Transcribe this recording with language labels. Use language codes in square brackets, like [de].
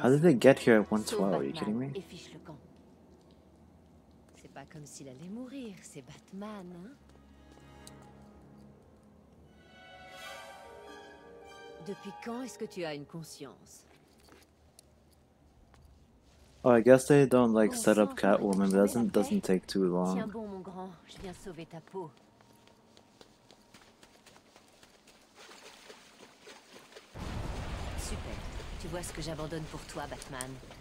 [en] How did they get here at 112? Are you kidding me? [fr] Et fiche le camp. C'est pas comme s'il allait mourir, c'est Batman, hein? Depuis quand est-ce que tu as une conscience? [en] Oh, I guess they don't like set up Catwoman, but that doesn't take too long. [fr] Tiens bon, mon grand, je viens sauver ta peau. Tu vois ce que j'abandonne pour toi, Batman.